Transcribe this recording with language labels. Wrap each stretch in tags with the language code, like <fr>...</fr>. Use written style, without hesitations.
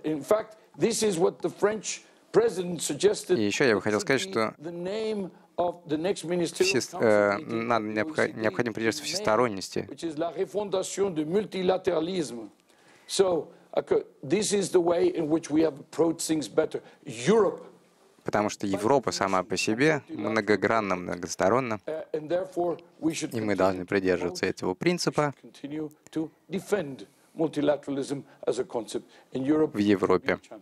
<en>In fact, this is what the French president suggested.</en> <ru>И еще я бы хотел сказать, что необходимо придерживаться всесторонности.</ru> <en>Which is</en> <fr>la refondation du multilatéralisme.</fr> <en>So this is the way in which we have approached things better. Europe.</en> <ru>Потому что Европа сама по себе многогранна, многосторонна, и мы должны придерживаться этого принципа в Европе.</ru>